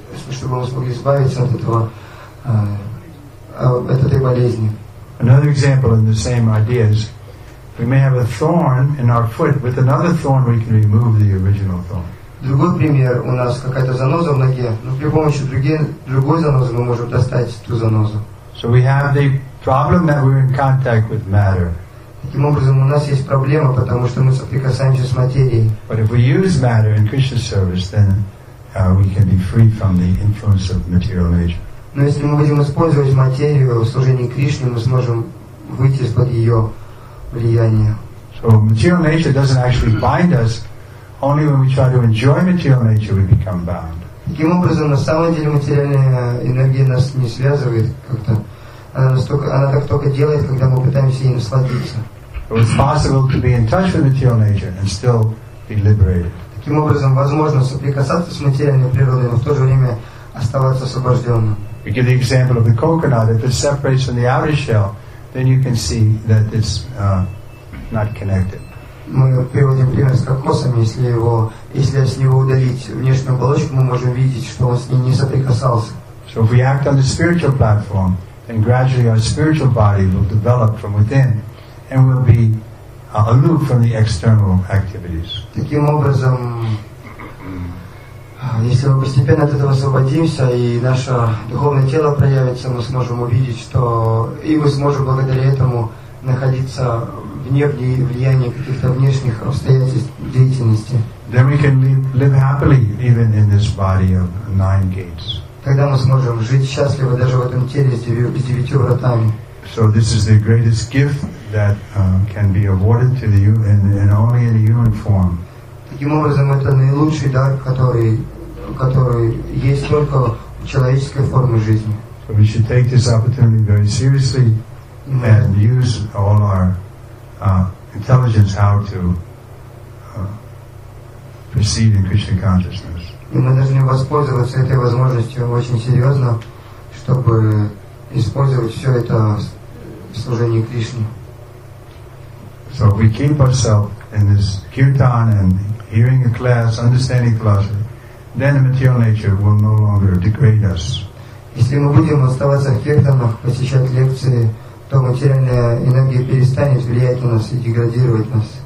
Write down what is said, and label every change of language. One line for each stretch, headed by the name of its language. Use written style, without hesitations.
Russian: Чтобы мы смогли избавиться от этого, от этой болезни.
English: Another example in the same idea is, we may have a thorn in our foot. With another thorn, we can remove the original thorn.
Russian: Другой пример: у нас какая-то заноза в ноге, но при помощи другой занозы мы можем достать ту занозу.
English: So we have the problem that we're in contact with matter.
Russian: Таким образом, у нас есть проблема, потому что мы соприкасаемся с материей.
English: But if we use matter in Krishna's service, then we can be free from the influence of material nature.
Russian: Но если мы будем использовать материю в служении Кришне, мы сможем выйти из-под ее влияния.
English: So material nature doesn't actually bind us. Only when we try to enjoy material nature, we become bound.
Russian: Таким образом, на самом деле материальная энергия нас не связывает как-то. Она так только делает, когда мы пытаемся ей насладиться.
English: It was possible to be in touch with material nature and still be liberated.
Russian: Таким образом, возможно соприкасаться с материальной природой, но в то же время оставаться освобожденным.
English: We give the example of the coconut. If it separates from the outer shell, then you can see that it's not connected.
Russian: Мы приводим пример с кокосом. Если его, если с него удалить внешнюю оболочку, мы можем видеть, что он с ней не соприкасался.
English: So if we act on the spiritual platform, then gradually our spiritual body will develop from within, and will be aloof from the external activities.
Russian: Таким образом, если мы постепенно от этого освободимся и наше духовное тело проявится, мы сможем увидеть, что и мы сможем благодаря этому находиться вне влияния каких-то внешних обстоятельств деятельности.
English: Then we can live happily even in this body of nine gates.
Russian: Тогда мы сможем жить счастливо даже в этом теле с девятью вратами.
English: So this is the greatest gift that can be awarded to the human, and only in the human form.
Russian: Таким образом, это наилучший дар, который есть только в человеческой форме жизни.
English: So we should take this opportunity very seriously and use all our intelligence how to proceed in Krishna consciousness.
Russian: И мы должны воспользоваться этой возможностью очень серьезно, чтобы использовать все это в служении Кришне.
English: So if we keep ourselves in this kirtan and hearing a class, understanding class, then the material nature will no longer degrade us.
Russian: Если мы будем оставаться в киртанах, посещать лекции, то материальная энергия перестанет влиять на нас и деградировать нас.